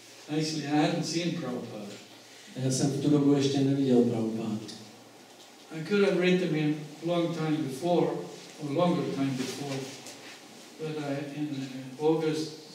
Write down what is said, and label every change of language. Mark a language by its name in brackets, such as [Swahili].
[English] I hadn't seen Prabhupada. [Czech] A já jsem v tu dobu ještě neviděl Prabhupádu. [English] I could have read them in a long time before, or longer time before, but I in August